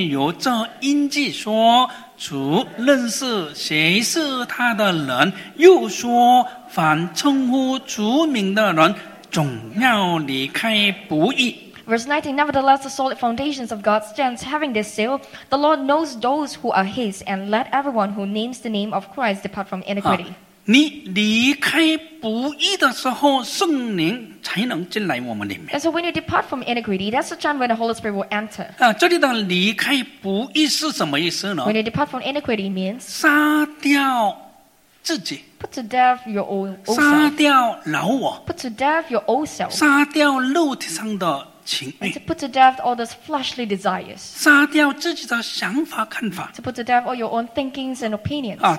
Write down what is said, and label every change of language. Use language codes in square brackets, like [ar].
[zh] 然而神坚固的根基立住了，上面有这印记说。主认识谁是他的人，又说凡称呼主名的人，总要离开不义。 [en] Verse 19, nevertheless, the solid foundations of God stands, having this seal, the Lord knows those who are His, and let everyone who names the name of Christ depart from iniquity. [zh] 你离开不义的时候, 圣灵才能进来我们里面。 [en] And so when you depart from iniquity, that's the time when the Holy Spirit will enter. [zh] 这里的离开不义是什么意思呢? [en] When you depart from iniquity means [zh] 杀掉 自己, [en] put to death your old self. [zh] 杀掉老我, [en] put to death your old self. [zh] 杀掉肉体上的 [en] And to put to death all those fleshly desires. [zh] 杀掉自己的想法看法。 [en] To put to death all your own thinkings and opinions.